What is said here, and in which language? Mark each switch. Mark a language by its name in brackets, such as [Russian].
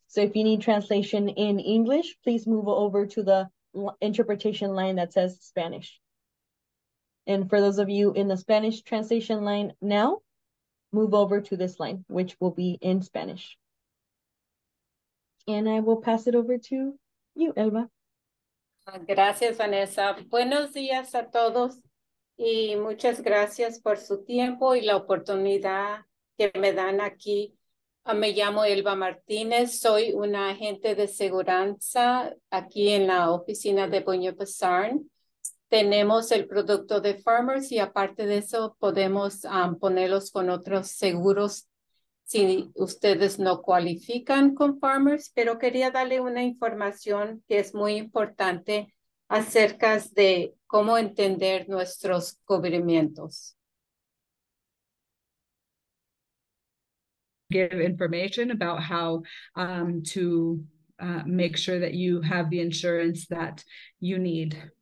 [English] So if you need translation in English, please move over to the interpretation line that says Spanish. And for those of you in the Spanish translation line now, move over to this line, which will be in Spanish. And I will pass it over to you, Elba. [Spanish] Gracias, Vanessa. Buenos días a todos y muchas gracias por su tiempo y la oportunidad que me dan aquí. Me llamo Elba Martínez. Soy una agente de seguridad aquí en la oficina de Buño Pizarn. Tenemos el producto de Farmers y aparte de eso podemos ponerlos con otros seguros si ustedes no cualifican con Farmers, pero quería darle una información que es muy importante acerca de cómo entender nuestros cubrimientos. [English] Give information about how to make sure that you have the insurance that you need.